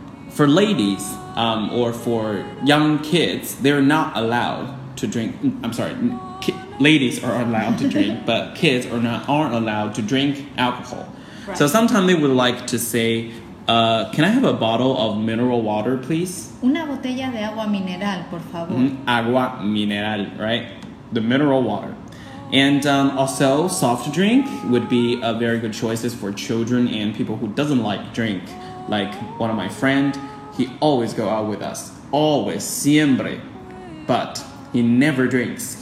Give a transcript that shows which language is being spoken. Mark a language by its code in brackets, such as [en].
[en] For ladies, or for young kids, they're not allowed to drink. I'm sorry, ladies are allowed to drink, but kids are not, aren't allowed to drink alcohol. Right. So sometimes they would like to say, can I have a bottle of mineral water, please? [es] Una botella de agua mineral, por favor. Agua mineral, [en] right? The mineral water. And also, soft drink would be a very good choice for children and people who doesn't like drink. Like one of my friend, he always go out with us, always, siempre, but he never drinks.